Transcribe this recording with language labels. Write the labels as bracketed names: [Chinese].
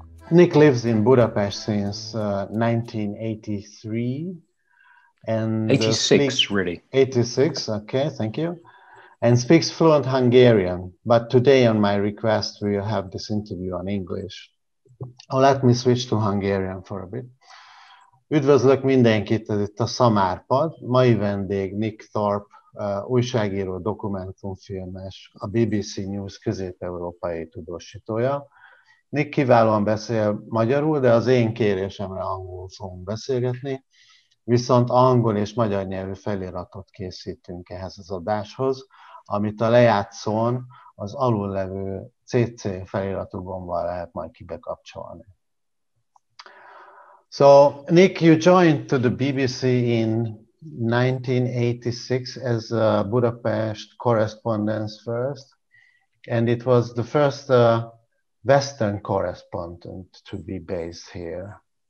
[English] Nick lives in Budapest since 1983. And 86, really. 86, okay, thank you. And speaks fluent Hungarian, but today on my request we will have this interview on English. Oh, let me switch to Hungarian for a bit. [Hungarian] Üdvözlök mindenkit, ez itt a Szamárpad. Mai vendég Nick Thorpe, újságíró, dokumentumfilmes, a BBC News közép-európai tudósítója. Nick kiválóan beszél magyarul, de az én kérésemre angolul fogunk beszélgetni, viszont angol és magyar nyelvű feliratot készítünk ehhez az adáshoz, amit a lejátszón az alul levő CC feliratú gombbal lehet majd kibekapcsolni. [English] So, Nick, you joined to the BBC in 1986 as a Budapest correspondence first, and it was the first Western correspondent to be based here.